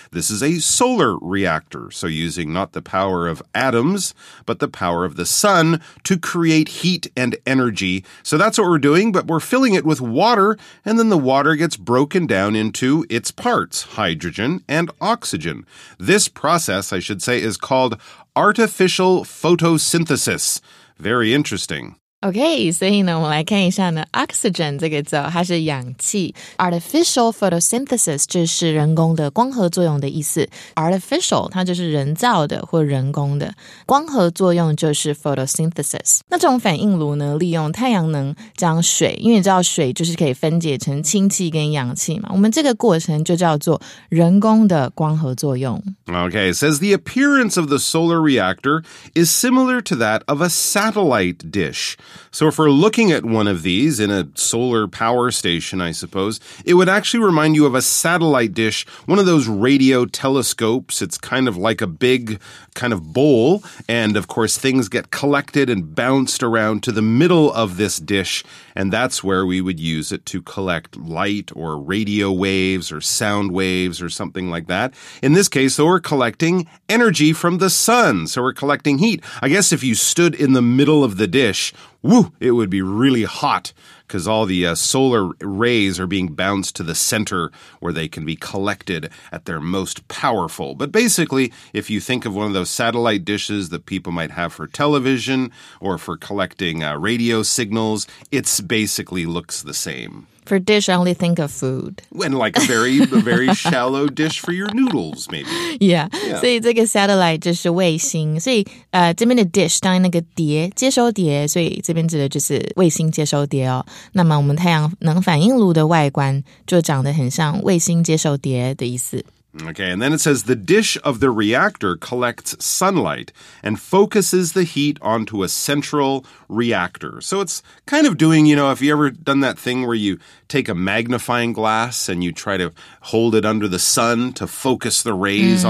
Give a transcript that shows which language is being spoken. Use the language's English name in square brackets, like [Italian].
[English] This is a solar reactor. So using not the power of atoms, but the power of the sun to create heat and energy. So that's what we're doing, but we're filling it with water, and then the water gets broken down into its parts, hydrogen and oxygen. This process, I should say, is called artificial photosynthesis. Very interesting. [Chinese] Okay, 所以呢，我们来看一下呢 ，oxygen 这个字，它是氧气。 Artificial photosynthesis 就是人工的光合作用的意思。 Artificial 它就是人造的或人工的，光合作用就是 photosynthesis。那这种反应炉呢，利用太阳能将水，因为你知道水就是可以分解成氢气跟氧气嘛，我们这个过程就叫做人工的光合作用。 [English] Okay, it says the appearance of the solar reactor is similar to that of a satellite dish. So if we're looking at one of these in a solar power station, I suppose, it would actually remind you of a satellite dish, one of those radio telescopes. It's kind of like a big kind of bowl. And of course, things get collected and bounced around to the middle of this dish. And that's where we would use it to collect light or radio waves or sound waves or something like that. In this case, though, we're collecting energy from the sun. So we're collecting heat. I guess if you stood in the middle of the dish,Woo, it would be really hot because all the solar rays are being bounced to the center where they can be collected at their most powerful. But basically, if you think of one of those satellite dishes that people might have for television or for collecting radio signals, it's basically looks the same. For dish, I only think of food. And like a very, very shallow dish for your noodles, maybe. Yeah. [Chinese] 所以这个 satellite 就是卫星。所以这边的 dish 当那个碟接收碟，所以这边指的就是卫星接收碟哦。那么我们太阳能反应炉的外观就长得很像卫星接收碟的意思。 [English] Okay, and then it says the dish of the reactor collects sunlight and focuses the heat onto a central reactor. So it's kind of doing, you know, if you ever done that thing where you take a magnifying glass and you try to hold it under the sun to focus the rays mm-hmm.